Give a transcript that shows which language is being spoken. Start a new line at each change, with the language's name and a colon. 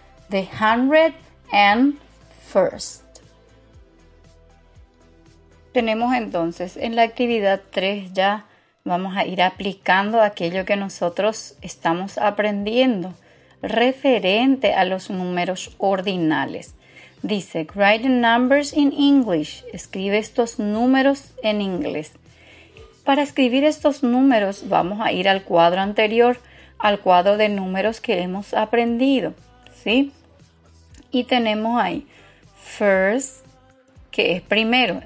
English: The 100 and first.
Spanish: Tenemos entonces en la actividad 3 ya, vamos a ir aplicando aquello que nosotros estamos aprendiendo referente a los números ordinales. Dice,
English: write numbers in English.
Spanish: Escribe estos números en inglés. Para escribir estos números, vamos a ir al cuadro anterior, al cuadro de números que hemos aprendido, ¿sí? Y tenemos ahí, first, que es primero.